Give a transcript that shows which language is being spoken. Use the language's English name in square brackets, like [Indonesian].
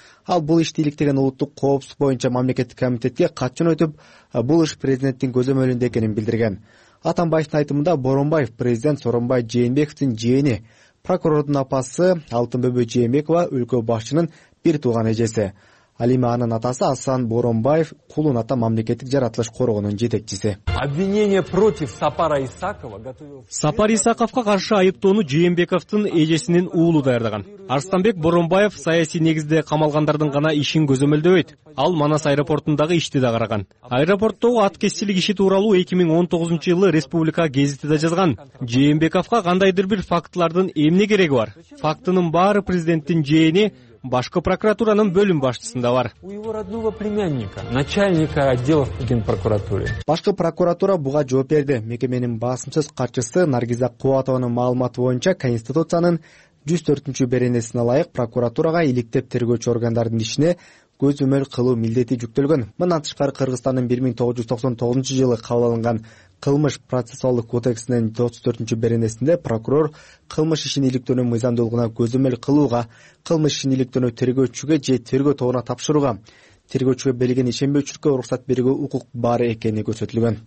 [Kyrgyz] Ал бул ишти иликтеген улуттук коопсуздук боюнча мамлекеттик комитетке кат жөнөтүп, бул иш президенттин көзөмөлүндө экенин билдирген. Атамбаевдин айтымында Боронбаев президент Сооронбай Жээнбековдун жээни, прокурордун апасы Алтынбөбө Жээнбекова өлкө башчынын бир тууган эжеси. Алима анын атасы Асан Боронбаев кулун ата мамлекеттик жаратылыш коргоонунун жетекчиси. [Russian] Обвинение против Сапара Исакова готовил. [Kyrgyz] Сапар Исаковго каршы айыптоону Жээнбековдун эжесинин уулу даярдаган. Арстанбек Боронбаев саясий негизде камалгандардын гана ишин көзөмөлдөбөйт. Ал Манас аэропортундагы ишти да караган. Аэропорттогу аткестилик иши тууралуу 2019 жылы Республика гезитинде жазган. Жээнбековго кандайдыр бир фактылардын эмне кереги бар? Фактынын баары президенттин жээни башкы прокуратуранын бөлүм башчысында бар. [Russian] У его родного племянника, начальника отдела в Генпрокуратуре. [Kyrgyz] Башкы прокуратура буга жооп берди. Мекеменин басымсыз катчысы Наргиза Кубатованын маалыматы боюнча конституциянын 104-чү беренесине ылайык прокуратурага иликтеп тергөөчү органдардын ишине көзөмөл кылуу милдети жүктөлгөн. Мындан тышкары Кыргызстандын 1999 жылы кабыл алынган кылмыш процессуалдык кодексинин 34-чү беренесинде прокурор кылмыш ишин иликтөөнүн мыйзамдуулугуна көзөмөл кылууга, кылмыш ишин иликтөөнү тергөөчүгө же тергөө тобуна тапшырууга, тергөөчүгө берилген ишенбөөчүлүккө уруксат берүүгө укук бар экени көрсөтүлгөн.